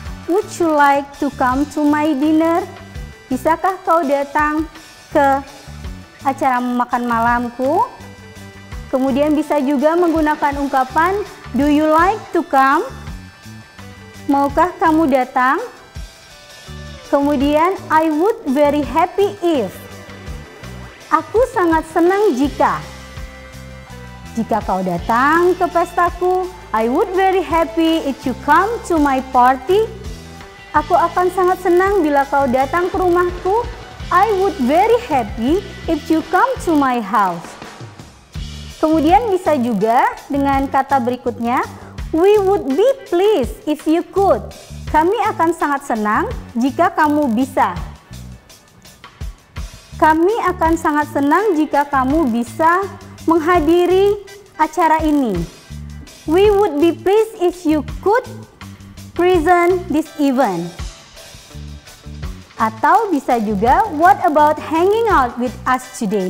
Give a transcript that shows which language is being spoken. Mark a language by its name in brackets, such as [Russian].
[English] "Would you like to come to my dinner?" [Indonesian] Bisakah kau datang ke acara makan malamku? Kemudian bisa juga menggunakan ungkapan [English] "Do you like to come?" [Indonesian] Maukah kamu datang? Kemudian, [English] I would very happy if. [Indonesian] Aku sangat senang jika. Jika kau datang ke pestaku, [English] I would very happy if you come to my party. [Indonesian] Aku akan sangat senang bila kau datang ke rumahku. [English] I would very happy if you come to my house. [Indonesian] Kemudian bisa juga dengan kata berikutnya, [English] we would be pleased if you could. [Indonesian] Kami akan sangat senang jika kamu bisa. Kami akan sangat senang jika kamu bisa menghadiri acara ini. [English] We would be pleased if you could present this event. [Indonesian] Atau bisa juga, [English] what about hanging out with us today?